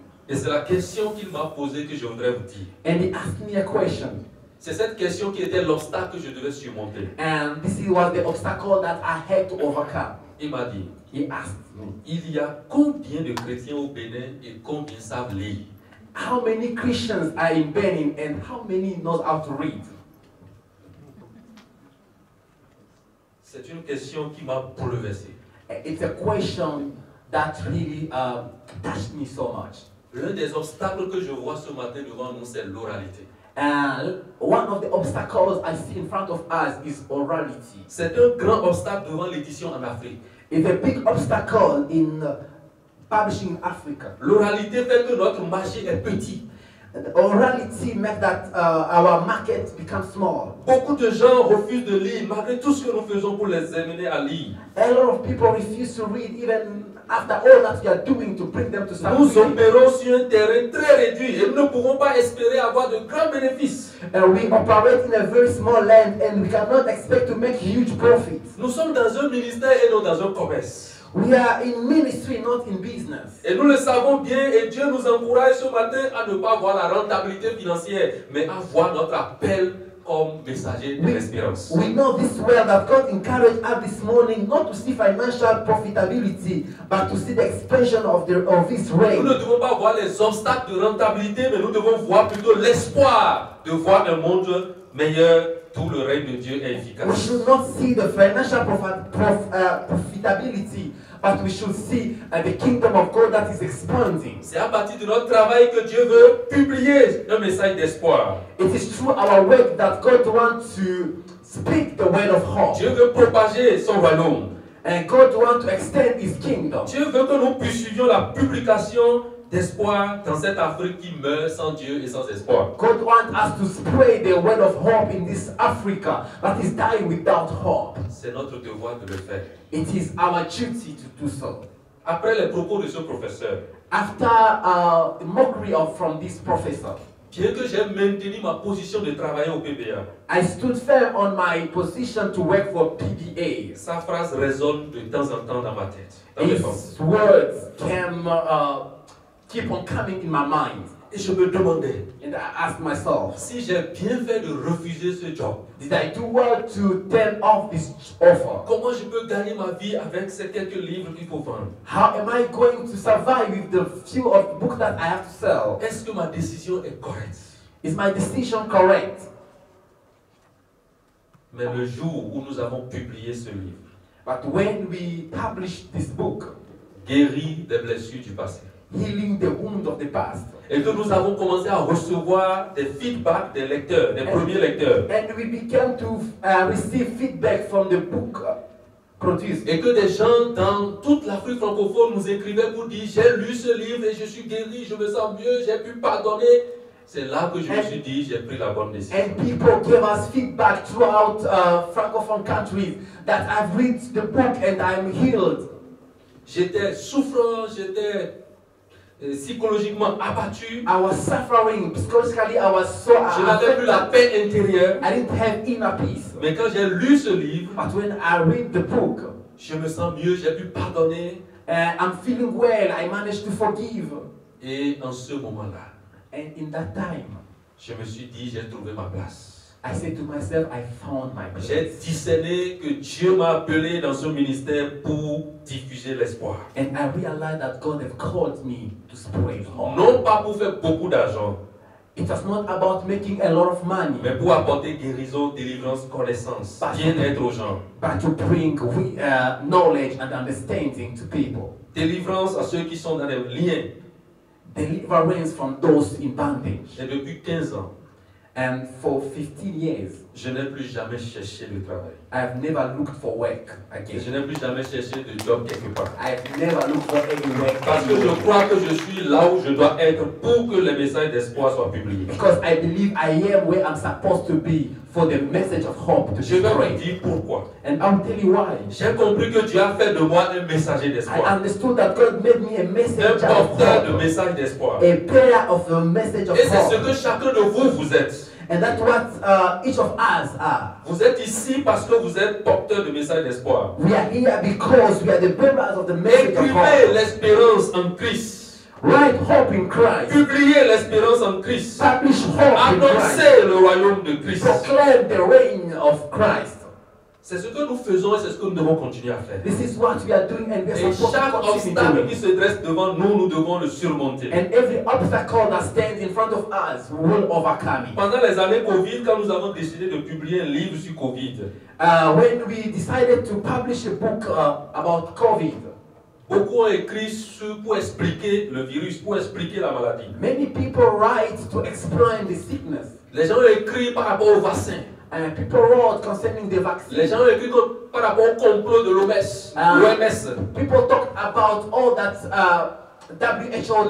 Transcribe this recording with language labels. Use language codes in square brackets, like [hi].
[fr] Et c'est la question qu'il m'a posée que je voudrais vous dire. [en] And he asked me a question. [fr] C'est cette question qui était l'obstacle que je devais surmonter. [en] And this was the obstacle that I had to overcome. [fr] Il m'a dit. [en] He asked me. [fr] Il y a combien de chrétiens au Bénin et combien savent lire? [en] How many Christians are in Benin and how many know how to read? [fr] C'est une question qui m'a bouleversé. [en] It's a question that really touched me so much. [fr] L'un des obstacles que je vois ce matin devant nous, c'est l'oralité. [en] And one of the obstacles I see in front of us is orality. [fr] C'est un grand obstacle devant l'édition en Afrique. [en] is a big obstacle in publishing in Africa. [fr] L'oralité fait que notre marché est petit. [en] The orality makes that our market becomes small. [fr] Beaucoup de gens refusent de lire malgré tout ce que nous faisons pour les amener à lire. [en] A lot of people refuse to read even after all that we are doing to bring them to start. [fr] Nous opérons sur un terrain très réduit et nous ne pouvons pas espérer avoir de grands bénéfices. [en] We operate in a very small land and we cannot expect to make huge profits. [fr] Nous sommes dans un ministère et non dans un commerce. [en] We are in ministry, not in business. [fr] Et nous le savons bien, et Dieu nous encourage ce matin à ne pas voir la rentabilité financière, mais à voir notre appel comme messager de l'espérance. [en] We know this well that God encouraged us this morning not to see financial profitability, but to see the expansion of the of His reign. [fr] Nous ne devons pas voir les obstacles de rentabilité, mais nous devons voir plutôt l'espoir de voir un monde meilleur. Tout le règne de Dieu est efficace. [en] We should not see the financial profitability, but we should see the kingdom of God that is expanding. [fr] C'est à partir de notre travail que Dieu veut publier un message d'espoir. [en] It is through our work that God wants to speak the word of hope. [fr] Dieu veut propager son royaume. [en] And God wants to extend His kingdom. [fr] Dieu veut que nous puissions la publication d'espoir dans cette Afrique qui meurt sans Dieu et sans espoir. [en] God wants us to spread the word of hope in this Africa that is dying without hope. [fr] C'est notre devoir de le faire. [en] It is our duty to do so. [fr] Après les propos de ce professeur, [en] after the mockery of from this professor, [fr] bien que j'ai maintenu ma position de travailler au PBA, [en] I stood firm on my position to work for PBA. [fr] Sa phrase résonne de temps en temps dans ma tête. [en] His words came. Keep on coming in my mind. [fr] Et je me demandais, [en] and I asked myself, [fr] si j'ai bien fait de refuser ce job, [en] did I do well to turn off this offer? [fr] Comment je peux gagner ma vie avec ces quelques livres qu'il faut vendre? [en] How am I going to survive with the few of books that I have to sell? [fr] Est-ce que ma décision est correcte? [en] Is my decision correct? [fr] Mais le jour où nous avons publié ce livre, [en] but when we published this book, [fr] guérir des blessures du passé, [en] healing the wound of the past, [fr] et que nous avons commencé à recevoir des feedbacks des lecteurs, des premiers lecteurs, [en] and we began to receive feedback from the book produced, [fr] et que des gens dans toute l'Afrique francophone nous écrivaient pour dire j'ai lu ce livre et je suis guéri, je me sens mieux, j'ai pu pardonner. C'est là que je me suis dit j'ai pris la bonne décision. [en] And people gave us feedback throughout francophone countries that I've read the book and I'm healed. [fr] J'étais souffrant, j'étais psychologiquement abattu. [en] I was suffering psychologically. I was so [fr] je n'avais plus la paix intérieure. [en] I didn't have inner peace. [fr] Mais quand j'ai lu ce livre, [en] but when I read the book, [fr] je me sens mieux. J'ai pu pardonner. [en] I'm feeling well. I managed to forgive. [fr] Et en ce moment-là, [en] and in that time, [fr] je me suis dit j'ai trouvé ma place. [en] I said to myself, I found my place. [fr] J'ai discerné que Dieu m'a appelé dans ce ministère pour diffuser l'espoir. [en] And I realized that God has called me to spread hope. [fr] Non pas pour faire beaucoup d'argent. [en] It was not about making a lot of money. [fr] Mais pour apporter guérison, délivrance, connaissance, bien-être aux gens. [en] But to bring knowledge and understanding to people. [fr] Délivrance à ceux qui sont dans les liens. [en] Deliverance from those in bondage. [fr] Et depuis 15 ans. [en] And for 15 years, [fr] je n'ai plus jamais cherché le travail. [en] I've never looked for work again. [fr] Je n'ai plus jamais cherché de job quelque part. [en] I've never looked for any work. [fr] Parce que je crois que je suis là où je dois être pour que le message d'espoir soit publié. [en] Because I believe I am where I'm supposed to be for the message of hope to spread. [fr] Je vais vous dire pourquoi. [en] And I'll tell you why. [fr] J'ai compris que Dieu a fait de moi un messager d'espoir. [en] I understood that God made me a messenger. [fr] Un porteur de message d'espoir. [en] A bearer of the message of hope. [fr] Et c'est ce que chacun de vous vous êtes. [en] And that's what each of us are. [fr] Vous êtes ici parce que vous êtes porteur de message d'espoir. [en] We are here because we are the bearers of the message of hope. [fr] Écrivez l'espérance en Christ. [en] Write hope in Christ. [fr] Publiez l'espérance en Christ. [en] Publish hope in Christ. [fr] Annoncez le royaume de Christ. [en] Proclaim the reign of Christ. [fr] C'est ce que nous faisons et c'est ce que nous devons continuer à faire. [en] This is what we are doing and we are supposed to continue doing. [fr] Et chaque obstacle qui se dresse devant nous, nous devons le surmonter. [en] And every obstacle that stands in front of us, we will overcome it. [fr] Pendant les années Covid, quand nous avons décidé de publier un livre sur Covid, [en] when we decided to publish a book about Covid, [fr] beaucoup ont écrit pour expliquer le virus, pour expliquer la maladie. [en] Many people write to explain the sickness. [fr] Les gens ont écrit par rapport au vaccin. [en] People wrote concerning the vaccine. [fr] Les gens écrivent par rapport au complot de l'OMS. L'OMS. [en] People talk about all that WHO.